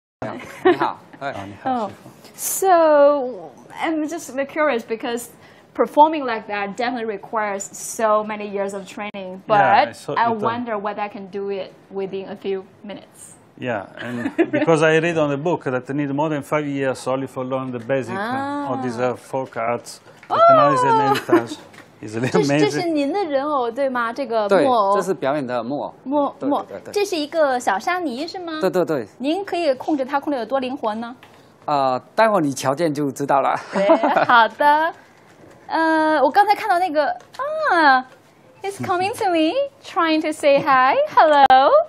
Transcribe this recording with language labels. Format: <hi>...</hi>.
<zh>林，您是这个团的？啊，我是这个。你好，你好，你好。So</zh> <en>I'm just curious because performing like that definitely requires so many years of training, but yeah, I wonder whether I can do it within a few minutes. Yeah, and because I read on the book that I need more than 5 years only for learning the basic of these folk arts. Oh! It's a little amazing.</en> <zh>这是您的人偶，对吗？这个木偶。对，这是表演的木偶。木偶，这是一个小沙弥，是吗？对对对。您可以控制它控制得多灵活呢？待会你瞧见就知道了。好的。我刚才看到那个,</zh> <en>he's coming to me, trying to say hi. Hello.</en>